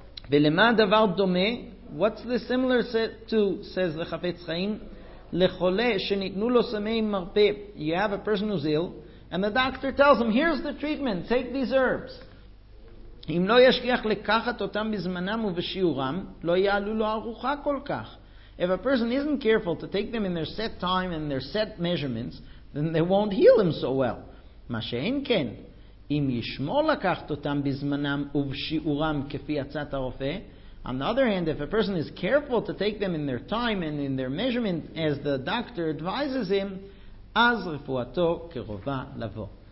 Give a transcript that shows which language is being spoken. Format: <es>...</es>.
<he>V'lema davar dome,</he> <en>what's the similar set to, says the Chafetz Chaim,</en> <he>lechole shenitnu lo samei marpe.</he> <en>You have a person who's ill, and the doctor tells him, here's the treatment, take these herbs.</en> <he>אם לא ישכיח לקחת אותם בזמנם ובשיעורם, לא יעלו לו ארוחה כל כך.</he> <en>If a person isn't careful to take them in their set time and their set measurements, then they won't heal him so well.</en> <he>מה שאין כן, אם ישמור לקחת אותם בזמנם ובשיעורם כפי הצעת הרופא,</he> <en>on the other hand, if a person is careful to take them in their time and in their measurement as the doctor advises him,</en> <he>אז רפואתו קרובה לבוא.</he>